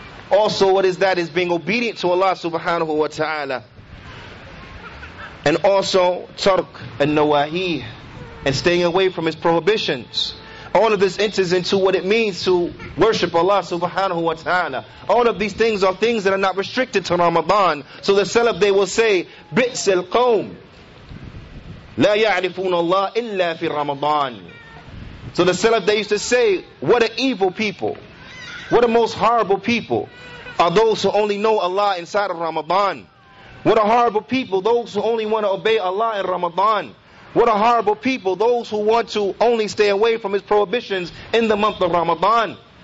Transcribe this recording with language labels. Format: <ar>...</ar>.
<en>Also what is that is being obedient to Allah subhanahu wa ta'ala. And also tark al-nawahi, and staying away from his prohibitions. All of this enters into what it means to worship Allah subhanahu wa ta'ala. All of these things are things that are not restricted to Ramadan. So the Salaf, they will say,</en> <ar>بِئْسِ الْقَوْمِ لَا يَعْرِفُونَ اللَّهِ إِلَّا فِي الرَّمَضَانِ.</ar> <en>So the Salaf, they used to say, what an evil people, what a most horrible people are those who only know Allah inside of Ramadan. What a horrible people, those who only want to obey Allah in Ramadan. What a horrible people, those who want to only stay away from his prohibitions in the month of Ramadan.</en>